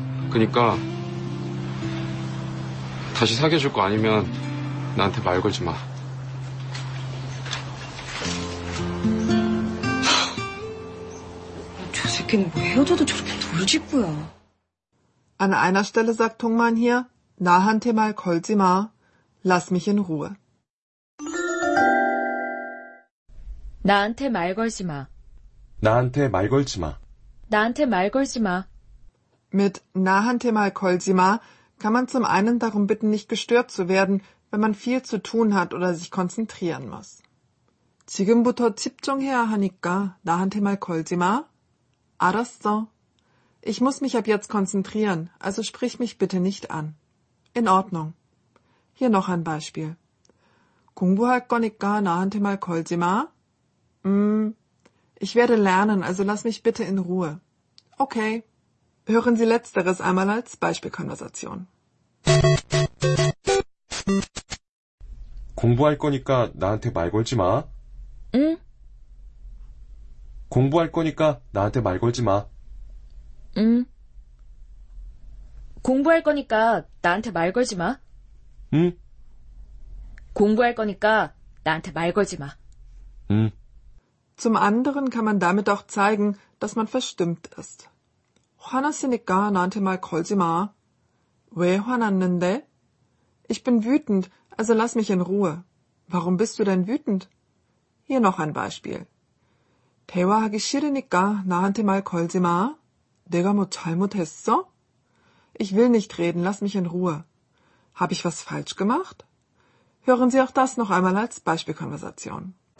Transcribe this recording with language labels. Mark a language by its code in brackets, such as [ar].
[ko] 그러니까 다시 사귀어 줄 거 아니면 나한테 말 걸지 마. 저 새끼는 뭐 헤어져도 저렇게 돌직구야. [de] An einer Stelle sagt Dongman hier, [ko] 나한테 말 걸지 마. [de] Lass mich in Ruhe. [ko] 나한테 말 걸지 마. 나한테 말 걸지 마. 나한테 말 걸지 마. [de] Mit [ko] 나한테 말 걸지 마 [de] kann man zum einen darum bitten, nicht gestört zu werden, wenn man viel zu tun hat oder sich konzentrieren muss. [ko] 지금부터 집중해야 하니까 나한테 말 걸지 마. 알았어. [de] Ich muss mich ab jetzt konzentrieren, also sprich mich bitte nicht an. In Ordnung. Hier noch ein Beispiel. [ko] 공부할 거니까 나한테 말 걸지 마. [de] Ich werde lernen, also lass mich bitte in Ruhe. Okay. Hören Sie Letzteres einmal als Beispielkonversation. [ko] 공부할 거니까 나한테 말 걸지 마. 응? 공부할 거니까 나한테 말 걸지 마. 응? 공부할 거니까 나한테 말 걸지 마. 응? 공부할 거니까 나한테 말 걸지 마. 응? [de] Zum anderen kann man damit auch zeigen, dass man verstimmt ist. [ko] 화났으니까 나한테 말 걸지 마. 왜 화났는데? [de] Ich bin wütend, also lass mich in Ruhe. Warum bist du denn wütend? Hier noch ein Beispiel. [ko] 대화하기 싫으니까 나한테 말 걸지 마. 내가 뭐 잘못했어? [de] Ich will nicht reden, lass mich in Ruhe. Habe ich was falsch gemacht? Hören Sie auch das noch einmal als Beispielkonversation.